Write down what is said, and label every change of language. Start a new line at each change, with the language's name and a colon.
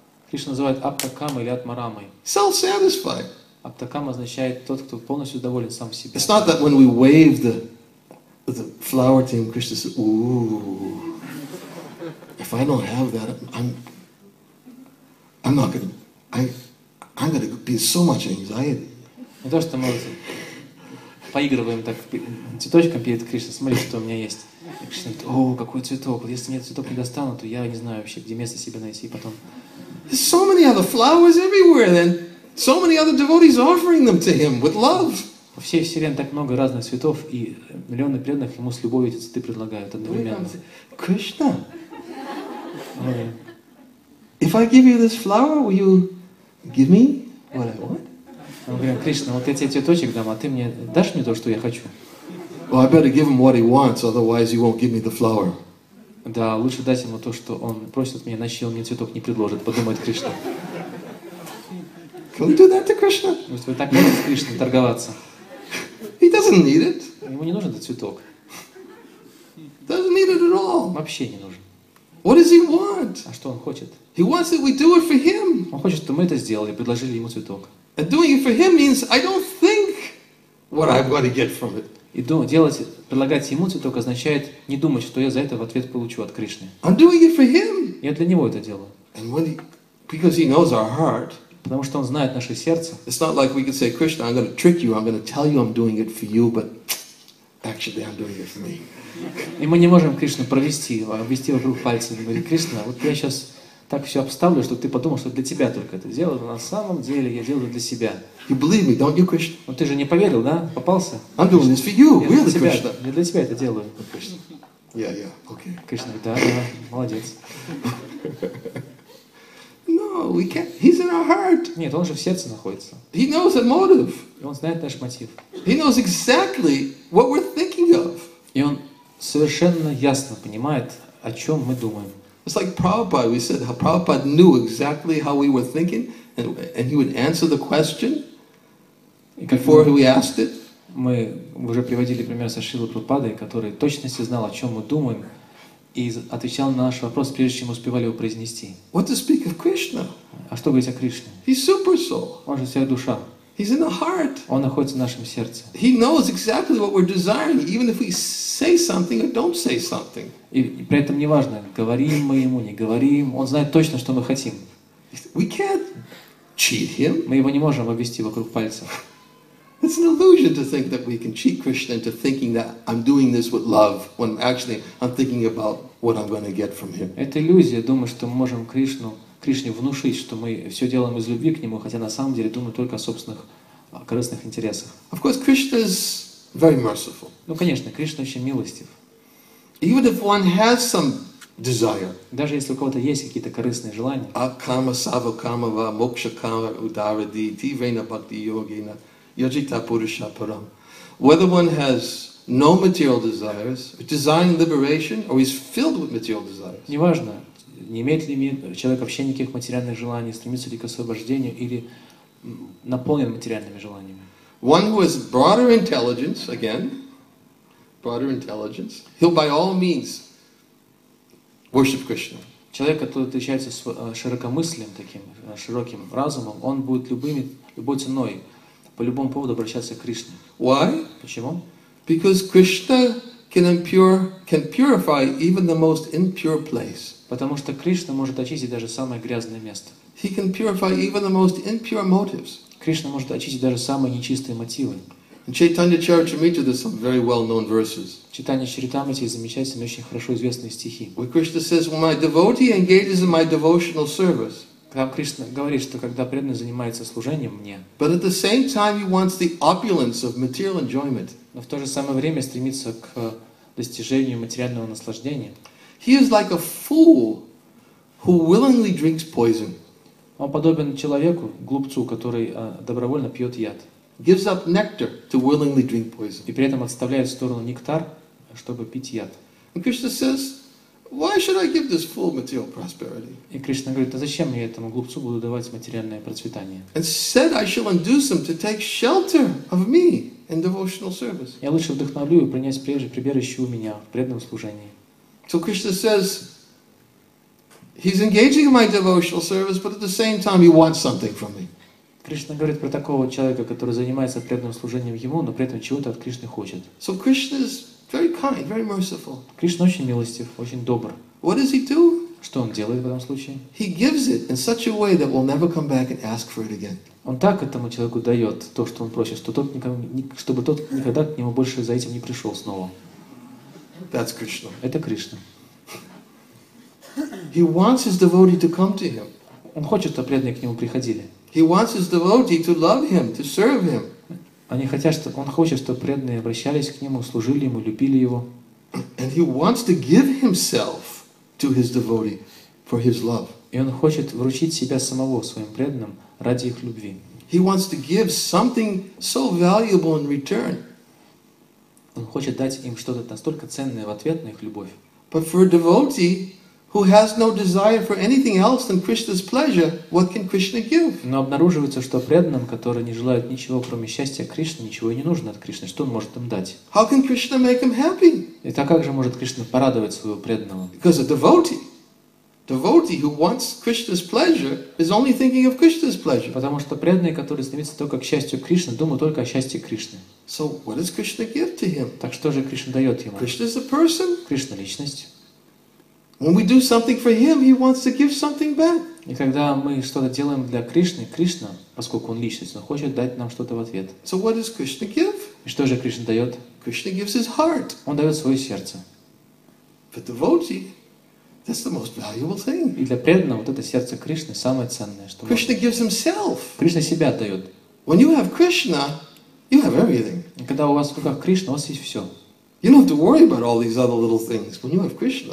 Russian: Кришна называет аптакама или атмарамой.
English: Self-satisfied.
Russian: Аптакама означает тот, кто полностью доволен сам себе.
English: It's not that when we wave the flower to him, Krishna says, ooh. If I don't have that, I'm gonna be so much anxiety.
Russian: Не то, что мы поигрываем так цветочком перед Кришной, смотри, что у меня есть. Кришна говорит, о, какой цветок. Если мне цветок не достану, то я не знаю вообще, где место себе найти потом.
English: There's so many other flowers everywhere, then so many other devotees offering them to him with love.
Russian: Во всей вселенной так много разных цветов, и миллионы преданных ему с любовью эти цветы предлагают одновременно. Кришна.
English: If I give you this flower, will you give me what I want?
Russian: Мы говорим, Кришна, вот я тебе цветочек дам, а ты мне дашь мне то, что я хочу?
English: Well, I better give him what he wants, otherwise he won't give me the flower.
Russian: Да, лучше дать ему то, что он просит меня, иначе он мне цветок не предложит, подумает Кришна.
English: Can we do that to Krishna?
Russian: Вы так можете с Кришной торговаться?
English: He doesn't need it.
Russian: Ему не нужен этот цветок.
English: Doesn't need it at all.
Russian: Вообще не нужен.
English: What does he want?
Russian: А что он хочет?
English: He wants that we do it for him.
Russian: Он хочет, чтобы мы это сделали, предложили ему цветок.
English: And doing it for him means I don't think what I'm going to get from it.
Russian: И делать, предлагать ему цветок означает не думать, что я за это в ответ получу от Кришны.
English: I'm doing it for him.
Russian: Я для него это делаю.
English: And when he, because he knows our heart.
Russian: Потому что он знает наше сердце.
English: It's not like we could say, Krishna, I'm going to trick you. I'm going to tell you I'm doing it for you, but actually I'm doing it for me.
Russian: И мы не можем Кришну провести, обвести вокруг пальца и говорить, Кришна, вот я сейчас так все обставлю, чтобы ты подумал, что для тебя только это делаю, но на самом деле я делаю это для себя.
English: You believe me, don't you, Krishna?
Russian: Ну ты же не поверил, да? Попался?
English: I'm doing this for you, really, Krishna.
Russian: Я для тебя это делаю.
English: Krishna. Yeah, yeah, okay.
Russian: Кришна говорит, да, да, молодец.
English: No, we can't. He's in our heart.
Russian: Нет, он же в сердце находится.
English: He knows the motive.
Russian: И он знает наш мотив.
English: He knows exactly what we're thinking of.
Russian: И он совершенно ясно понимает, о чем мы думаем.
English: It's like Prabhupada. We said how Prabhupada knew exactly how we were thinking, and he would answer the question before we asked it.
Russian: Мы уже приводили пример со Шрилой Прабхупадой, который точно знал, о чем мы думаем, и отвечал на наш вопрос, прежде чем мы успевали его произнести.
English: What to speak of Krishna?
Russian: А что говорить о Кришне?
English: He's super soul.
Russian: Он же сверхдуша.
English: He's in the heart.
Russian: Он находится в нашем сердце.
English: He knows exactly what we're desiring, even if we say something or don't say something.
Russian: И при этом не важно, говорим мы ему, не говорим, он знает точно, что мы хотим.
English: We can't cheat him.
Russian: Мы его не можем обвести вокруг пальца.
English: It's an illusion to think that we can cheat Krishna into thinking that I'm doing this with love when actually I'm thinking about what I'm going to get from him.
Russian: Это иллюзия думать, что мы можем Кришне внушить, что мы все делаем из любви к нему, хотя на самом деле думаем только о собственных корыстных интересах.
English: Of course, Krishna is very merciful.
Russian: Ну, конечно, Кришна очень милостив.
English: Even if one has some desire.
Russian: Даже если у кого-то есть какие-то корыстные желания.
Sanskrit: Акама сава камава мокша кама ударади дивейна бхакти йогина йоджита пуруша парам.
English: Whether one has no material desires, desiring liberation, or he's filled with material desires.
Russian: Неважно. Не имеет ли человек вообще никаких материальных желаний, стремится ли к освобождению или наполнен материальными желаниями?
English: One who has broader intelligence, again, broader intelligence, he'll by all means worship Krishna.
Russian: Человек, который отличается широкомыслием таким, широким разумом, он будет любой ценой, по любому поводу обращаться к Кришне.
English: Why?
Russian: Почему?
English: Because Krishna can purify even the most impure place.
Russian: Потому что Кришна может очистить даже самое грязное место.
English: He can purify even the most impure motives.
Russian: Кришна может очистить даже самые нечистые мотивы.
English: In Chaitanya Charitamrita, there's some very well-known verses.
Russian: Читание Чаритамриты замечательные, очень хорошо известные стихи.
English: Where Krishna says, "When my devotee engages in my devotional service."
Russian: Там Кришна говорит, что когда преданный занимается служением мне.
English: But at the same time, he wants the opulence of material enjoyment.
Russian: Но в то же самое время стремится к достижению материального наслаждения.
English: He is like a fool who willingly drinks poison.
Russian: Он подобен человеку, глупцу, который добровольно пьет яд.
English: Gives up nectar to willingly drink poison.
Russian: И при этом отставляет в сторону нектар, чтобы пить яд.
English: And Krishna says, "Why should I give this fool material prosperity?"
Russian: И Кришна говорит, а зачем я этому глупцу буду давать материальное процветание?
English: And said, "I shall induce him to take shelter of me in devotional service."
Russian: Я лучше вдохновлю его принять прибежище у меня в преданном служении.
English: So Krishna says, he's engaging in my devotional service, but at the same time he wants something from me.
Russian: Кришна говорит про такого человека, который занимается преданным служением ему, но при этом чего-то от Кришны хочет.
English: So Krishna is very kind, very merciful.
Russian: Кришна очень милостив, очень добр.
English: What does he do?
Russian: Что он делает в этом случае?
English: He gives it in such a way that we'll never come back and ask for it again.
Russian: Он так этому человеку дает то, что он просит, чтобы тот никогда к нему больше за этим не пришел снова.
English: That's Krishna.
Russian: Это Кришна.
English: He wants his devotee to come to him.
Russian: Он хочет, чтобы преданные к нему приходили.
English: He wants his devotee to love him, to serve him.
Russian: Они хотят, чтобы он хочет, чтобы преданные обращались к нему, служили ему, любили его.
English: And he wants to give himself to his devotee for his love.
Russian: И он хочет вручить себя самого своим преданным ради их любви.
English: He wants to give something so valuable in return.
Russian: Он хочет дать им что-то настолько ценное в ответ на их любовь.
English: But for a devotee, who has no desire for anything else than Krishna's pleasure, what can Krishna give?
Russian: Но обнаруживается, что преданным, которые не желают ничего, кроме счастья Кришны, ничего и не нужно от Кришны. Что он может им дать?
English: How can Krishna make him happy?
Russian: Это как же может Кришна порадовать своего преданного?
English: Because a devotee. Devotee who wants Krishna's pleasure is only thinking of Krishna's pleasure.
Russian: Потому что преданный, который стремится только к счастью Кришны, думает только о счастье Кришны.
English: So what does Krishna give to him?
Russian: Так что же Кришна дает ему?
English: Krishna is a person.
Russian: Кришна личность.
English: When we do something for him, he wants to give something back.
Russian: И когда мы что-то делаем для Кришны, Кришна, поскольку он личность, он хочет дать нам что-то в ответ.
English: So what does Krishna give?
Russian: И что же Кришна дает?
English: Krishna gives his heart.
Russian: Он дает свое сердце.
English: But devotee, that's the most valuable thing.
Russian: И для преданного вот это сердце Кришны самое ценное, что.
English: Krishna gives himself.
Russian: Кришна себя дает.
English: When you have Krishna, you have everything.
Russian: И когда у вас в руках Кришна, у вас есть все.
English: You don't have to worry about all these other little things when you have Krishna.